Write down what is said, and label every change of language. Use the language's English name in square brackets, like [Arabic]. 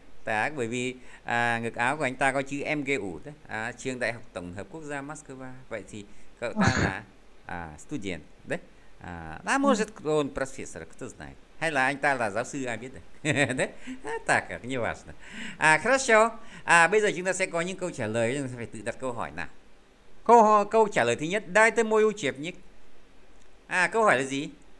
[Russian] Так, [Vietnamese] bởi vì ngực áo của anh ta có chữ MGU, trường Đại học Tổng hợp Quốc gia Moscow. Vậy thì cậu ta là student, đấy. [Russian] Là может он профессор, кто знает. [Vietnamese] Hay là anh ta là giáo sư, ai biết được. Đấy. [Russian] Так, не важно. Хорошо. [Vietnamese] Bây giờ chúng ta sẽ có những câu trả lời, chúng ta phải tự đặt câu hỏi nào. Câu trả lời thứ nhất, [Russian] дайте мой учебник. [Vietnamese] Câu hỏi là gì?